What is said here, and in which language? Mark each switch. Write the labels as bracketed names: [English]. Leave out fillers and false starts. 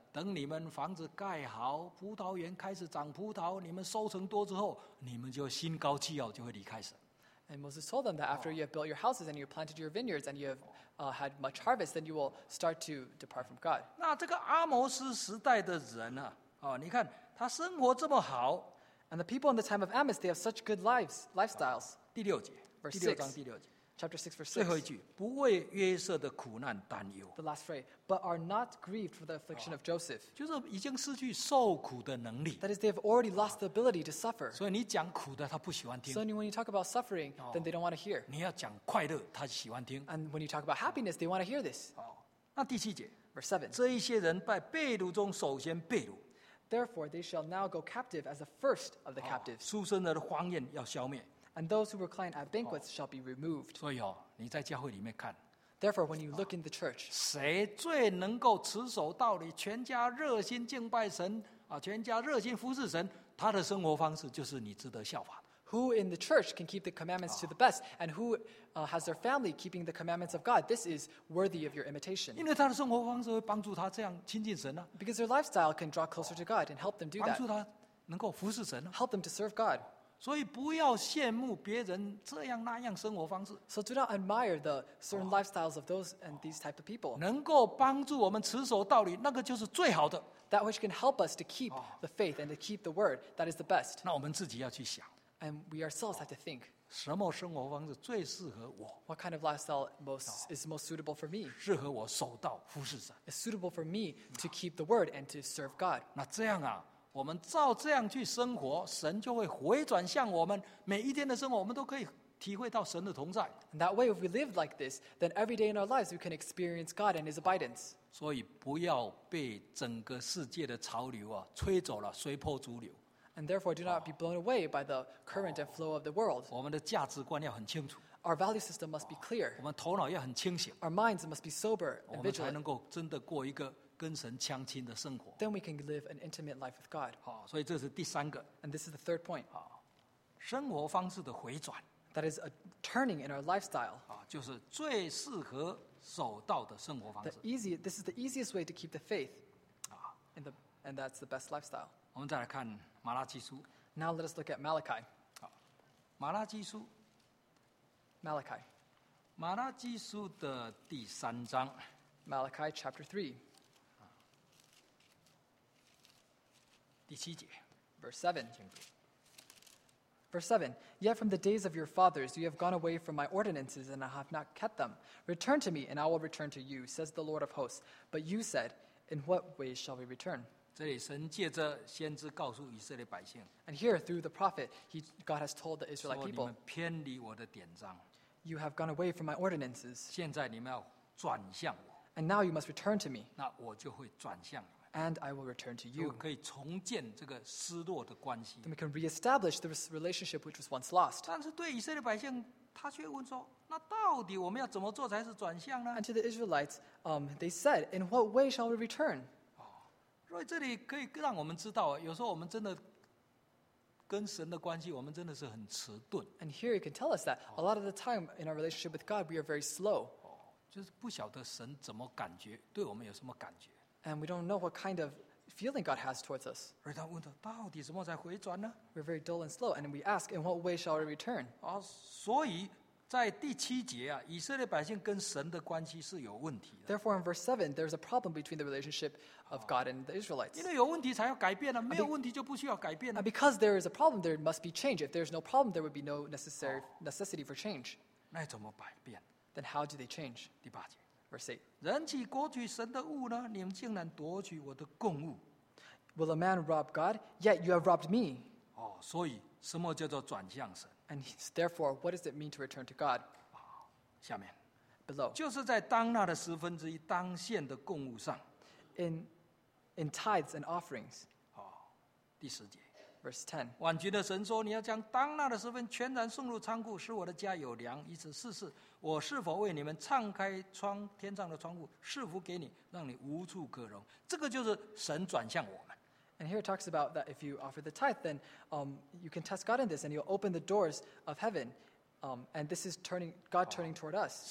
[Chinese] 等你们房子盖好，葡萄园开始长葡萄，你们收成多之后，你们就心高气傲，就会离开神。 [English] And Moses told them that after you have built your houses and you planted your vineyards and you have had much harvest, then you will start to depart from God. [Chinese] 那这个阿摩斯时代的人你看他生活这么好。 [English] And the people in the time of Amos, they have such good lives, lifestyles. [Chinese] 第六节 [English] ，verse [Chinese] 6。第六章第六节。 [English] Chapter 6 verse [Chinese] 6. 最后一句，不为约瑟的苦难担忧。 [English] The last phrase, but are not grieved for the affliction of Joseph. [Chinese] 就是已经失去受苦的能力。 [English] That is, they have already lost the ability to suffer. [Chinese] 所以你讲苦的，他不喜欢听。 [English] So when you talk about suffering, then they don't want to hear. [Chinese] 你要讲快乐，他喜欢听。 [English] And when you talk about happiness, they want to hear this. [Chinese] 那第七节 [English] verse 7. [Chinese] 这一些人在被掳中首先被掳。 [English] Therefore, they shall now go captive as the first of the captives. [Chinese] 出生的荒宴要消灭。 [English] And those who recline at banquets shall be removed. [Chinese] 所以你在教会里面看。 [English] Therefore, when you look in the church, [Chinese] 谁最能够持守道理，全家热心敬拜神，全家热心服侍神，他的生活方式就是你值得效法的。 [English] Who in the church can keep the commandments to the best, and who has their family keeping the commandments of God? This is worthy of your imitation. [Chinese] 因为他的生活方式会帮助他这样亲近神 [English] Because their lifestyle can draw closer to God and help them do that. [Chinese] 帮助他能够服侍神 [English] Help them to serve God. [Chinese] 所以不要羡慕别人这样那样生活方式。 [English] So do not admire the certain lifestyles of those and these type of people. [Chinese] 能够帮助我们持守道理，那个就是最好的。 [English] That which can help us to keep the faith and to keep the word, that is the best. [Chinese] 那我们自己要去想。 [English] And we ourselves have to think. [Chinese] 什么生活方式最适合我 [English] ？What kind of lifestyle is most suitable for me? [Chinese] 适合我守道服事神。 [English] Is suitable for me to keep the word and to serve God. [Chinese] 那这样我们照这样去生活，神就会回转向我们，每一天的生活我们都可以体会到神的同在。 [English] And that way, if we live like this, then every day in our lives, we can experience God and His abidance. [Chinese] 所以不要被整个世界的潮流啊吹走了，随波逐流。 [English] And therefore, do not be blown away by the current and flow of the world. [Chinese] 我们的价值观要很清楚。 [English] Our value system must be clear. [Chinese] 我们头脑要很清醒。 [English] Our minds must be sober and vigilant. [Chinese] 我们才能够真的过一个跟神相亲的生活。 [English] Then we can live an intimate life with God. [Chinese] 所以这是第三个。 [English] And this is the third point. [Chinese] 生活方式的回转。 [English] That is a turning in our lifestyle. [Chinese] 就是最适合守道的生活方式。 [English] This is the easiest way to keep the faith, and that's the best lifestyle. [Chinese] 我们再来看马拉基书。 [English] Now let us look at Malachi. [Chinese] 马拉基书。 [English] Malachi. [Chinese] 马拉基书的第三章。 [English] Malachi chapter 3. [Chinese] 第七节。 [English] Verse 7. Verse 7, Yet from the days of your fathers you have gone away from my ordinances, and I have not kept them. Return to me, and I will return to you, says the Lord of hosts. But you said, In what way shall we return? [Chinese] 这里神借着先知告诉以色列百姓。 [English] And here, through the prophet, God has told the Israelite people, [Chinese] 说你们偏离我的典章。 [English] You have gone away from my ordinances. [Chinese] 现在你们要转向我。 [English] And now you must return to me. [Chinese] 那我就会转向你。 [English] And I will return to you. [Chinese] 可以重建这个失落的关系。 [English] Then we can reestablish the relationship which was once lost. [Chinese] 但是对以色列百姓，他却问说：“那到底我们要怎么做才是转向呢？” [English] And to the Israelites, they said, "In what way shall we return?" [Chinese] 所以这里可以让我们知道，有时候我们真的跟神的关系，我们真的是很迟钝。 [English] And here you can tell us that a lot of the time in our relationship with God, we are very slow. [Chinese] 就是不晓得神怎么感觉，对我们有什么感觉。 [English] And we don't know what kind of feeling God has towards us. [Chinese] 而他问他到底怎么才回转呢？ [English] We're very dull and slow, and we ask, in what way shall we return? [Chinese] 所以在第七节啊，以色列百姓跟神的关系是有问题的。 [English] Therefore, in verse 7, there's a problem between the relationship of God and the Israelites. [Chinese] 因为有问题才要改变啊，没有问题就不需要改变啊。 [English] And because there is a problem, there must be change. If there's no problem, there would be no necessity for change. [Chinese] 那怎么改变？ [English] Then how do they change? [Chinese] 第八节。 [English] Verse 8. [Chinese] 人岂夺取神的物呢？你们竟然夺取我的供物。 [English] Will a man rob God? Yet you have robbed me. [Chinese] 所以什么叫做转向神？ [English] And therefore, what does it mean to return to God? [Chinese] 下面。 [English] Below. [Chinese] 就是在当纳的十分之一当献的供物上。 [English] In tithes and offerings. [Chinese] 第十节。 [English] Verse 10. [Chinese] 万军的神说，你要将当纳的十分全然送入仓库，使我的家有粮，以此试试我是否为你们敞开窗天上的窗户，赐福给你，让你无处可容。这个就是神转向我们。 [English] And here it talks about that if you offer the tithe, then you can test God in this, and you'll open the doors of heaven. And this is God turning toward us.